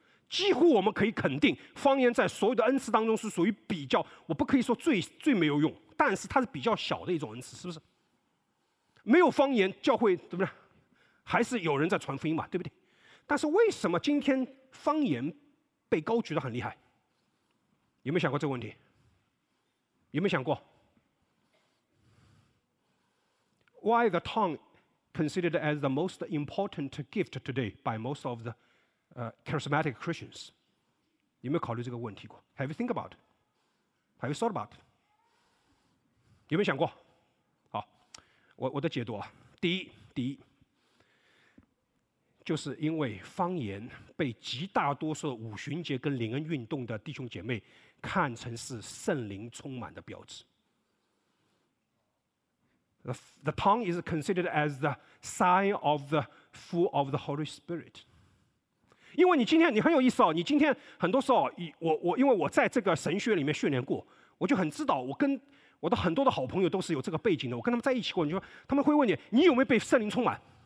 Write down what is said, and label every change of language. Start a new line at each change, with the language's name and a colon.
Chinese: 几乎我们可以肯定，方言在所有的恩赐当中是属于比较，我不可以说最没有用，但是它是比较小的一种恩赐，是不是？没有方言，教会对不对？还是有人在传福音嘛，对不对？但是为什么今天方言被高举得很厉害？有没有想过这个问题？有没有想过
English: Why the tongue considered as the most important gift today by most of the charismatic Christians?
Chinese: 有没有考虑这个问题过？
English: Have you think about it? Have you thought about it?
Chinese: 有没有想过？好，我的解读啊，第一，就是因为方言被极大多数五旬节跟灵恩运动的弟兄姐妹看成是圣灵充满的标志。
English: The tongue is considered as the sign of the full of the Holy Spirit.
Chinese: 因为你今天你很有意思哦，你今天很多时候我因为我在这个神学里面训练过，我就很知道，我跟我的很多的好朋友都是有这个背景的，我跟他们在一起过，你说他们会问你，你有没有被圣灵充满？